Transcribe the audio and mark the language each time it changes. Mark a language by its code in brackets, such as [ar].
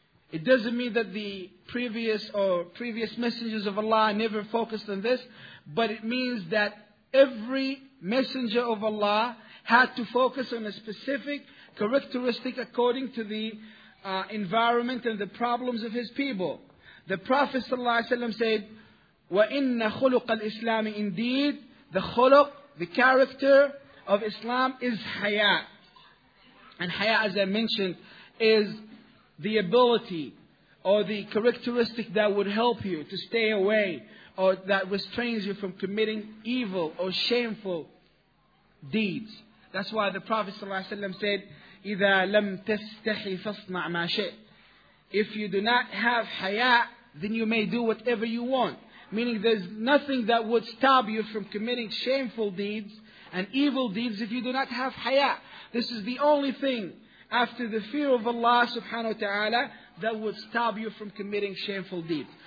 [en] It doesn't mean that the previous messengers of Allah never focused on this, but it means that every messenger of Allah had to focus on a specific characteristic according to the environment and the problems of his people. The Prophet ﷺ said, [ar] وَإِنَّ خُلُقَ الْإِسْلَامِ. [en] Indeed, the khuluq, the character of Islam is haya. And haya, as I mentioned, is the ability or the characteristic that would help you to stay away or that restrains you from committing evil or shameful deeds. That's why the Prophet ﷺ said, [ar] إِذَا لَمْ تَسْتَحِي فَاصْنَعْ مَا شِئْ. [en] If you do not have haya, then you may do whatever you want. Meaning there's nothing that would stop you from committing shameful deeds and evil deeds if you do not have haya. This is the only thing after the fear of Allah subhanahu wa ta'ala that would stop you from committing shameful deeds.